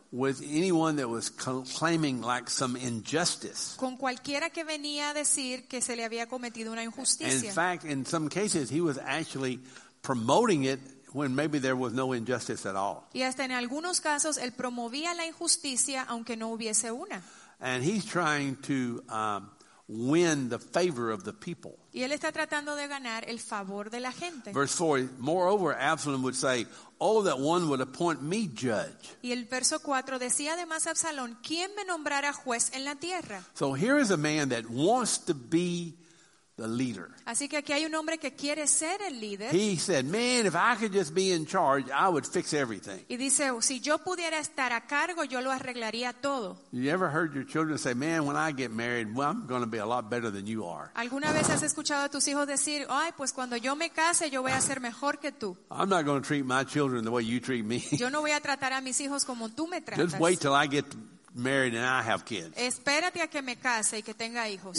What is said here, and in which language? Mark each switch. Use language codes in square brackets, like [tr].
[en] With anyone that was claiming like some injustice. [es] Con cualquiera que venía a decir que se le había cometido una injusticia. [en] In fact, in some cases, he was actually promoting it when maybe there was no injustice at all. [es] Y hasta en algunos casos él promovía la injusticia aunque no hubiese una. [en] And he's trying to win the favor of the people. [es] Y él está tratando de ganar el favor de la gente. [en] Verse 4, moreover, Absalom would say, oh, that one would appoint me judge. [es] Y el verso 4 decía además Absalón, ¿quién me nombrará juez en la tierra? [en] So here is a man that wants to be the leader. [es] Así que aquí hay un hombre que quiere ser el líder. [en] He said, man, if I could just be in charge, I would fix everything. [es] Y dice, si yo pudiera estar a cargo, yo lo arreglaría todo. [en] You ever heard your children say, man, when I get married, well, I'm going to be a lot better than you are. [es] ¿Alguna vez has escuchado a tus hijos decir, ay, pues cuando yo me case, yo voy a ser mejor que tú? [en] I'm not going to treat my children the way you treat me. [es] Yo no voy a tratar a mis hijos como tú me tratas. [en] Just wait till I get married and I have kids. [es] Espérate a que me case y que tenga hijos.